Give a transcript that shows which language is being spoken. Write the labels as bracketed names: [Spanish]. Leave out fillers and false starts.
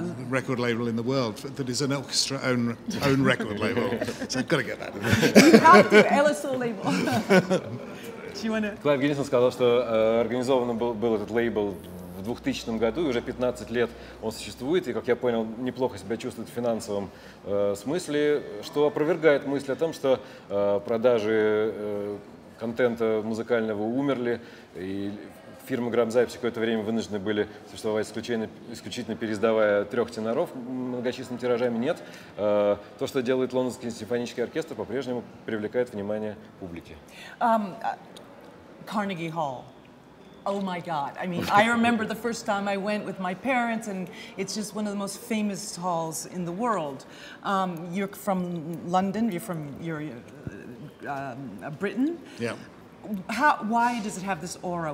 [English] record label in the world that is an orchestra own record label. So I've got to get that. You have to, LSO label. Do you want to? Clive Gillinson said that [Russian] организовано был этот лейбл в 2000 году, уже 15 лет он существует, и как я понял, неплохо себя чувствует в финансовом смысле, что опровергает мысль о том, что продажи контента музыкального умерли и фирмы грамзаписи какое-то время вынуждены были существовать исключительно переиздавая трех теноров многочисленными тиражами. Нет. То, что делает Лондонский симфонический оркестр, по-прежнему привлекает внимание публики. [English] Carnegie Hall. Oh my God. I mean, I remember the first time I went with my parents, and it's just one of the most famous halls in the world. You're from London, you're from Britain. Yeah. Why does it have this aura?